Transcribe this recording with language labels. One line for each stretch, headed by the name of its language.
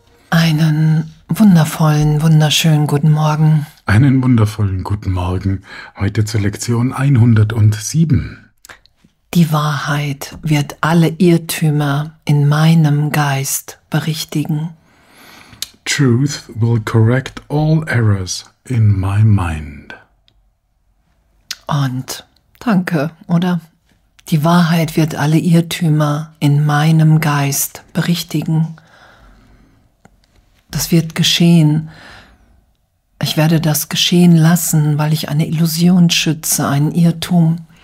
German: Einen wundervollen, wunderschönen guten Morgen. Einen wundervollen guten Morgen. Heute zur Lektion 107. Die Wahrheit wird alle Irrtümer in meinem Geist berichtigen.
English: Truth will correct all errors in my mind.
German: Und danke, oder? Die Wahrheit wird alle Irrtümer in meinem Geist berichtigen. Das wird geschehen. Ich werde das geschehen lassen, weil ich eine Illusion schütze, einen Irrtum.